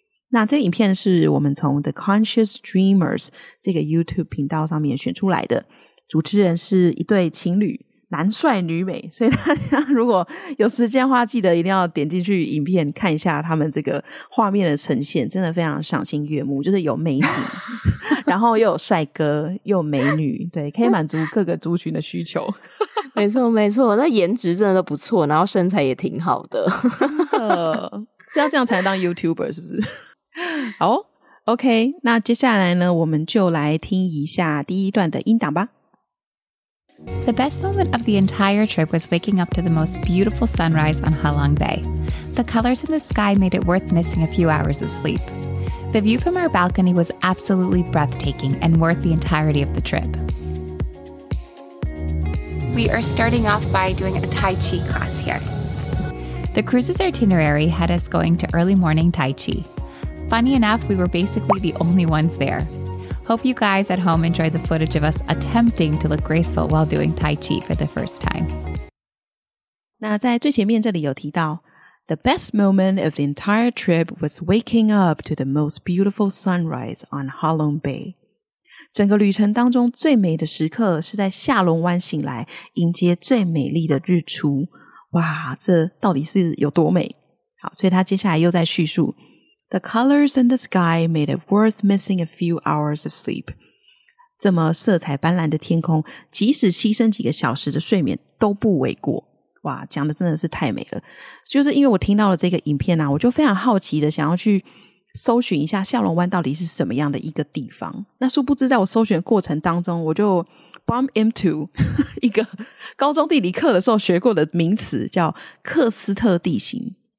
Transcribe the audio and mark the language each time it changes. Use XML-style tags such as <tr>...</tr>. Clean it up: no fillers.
<zh>那这个影片是我们从 The Conscious Dreamers 这个 YouTube 频道上面选出来的，主持人是一对情侣，男帅女美，所以大家如果有时间的话记得一定要点进去影片看一下他们这个画面的呈现，真的非常赏心悦目，就是有美景然后又有帅哥又有美女，对，可以满足各个族群的需求。没错没错，那颜值真的都不错，然后身材也挺好的。真的是要这样才能当 YouTuber 是不是？好 OK， 那接下来呢我们就来听一下第一段的音档吧。</zh> <en>The best moment of the entire trip was waking up to the most beautiful sunrise on Ha Long Bay. The colors in the sky made it worth missing a few hours of sleep. The view from our balcony was absolutely breathtaking and worth the entirety of the trip. We are starting off by doing a Tai Chi class here. The cruise's itinerary had us going to early morning Tai Chi. Funny enough, we were basically the only ones there. Hope you guys at home enjoy the footage of us attempting to look graceful while doing Tai Chi for the first time.</en> <zh>那在最前面这里有提到</zh> <en>The best moment of the entire trip was waking up to the most beautiful sunrise on Ha Long Bay.</en> <zh>整个旅程当中最美的时刻是在下龙湾醒来迎接最美丽的日出。哇，这到底是有多美？好，所以他接下来又在叙述</zh> <en>The colors in the sky made it worth missing a few hours of sleep.</en> <zh>这么色彩斑斓的天空，即使牺牲几个小时的睡眠都不为过。哇，讲的真的是太美了。就是因为我听到了这个影片啊，我就非常好奇的想要去搜寻一下下龙湾到底是什么样的一个地方。那殊不知在我搜寻的过程当中，我就</zh> <en>bump into</en> <zh>一个高中地理课的时候学过的名词，叫克斯特地形。</zh>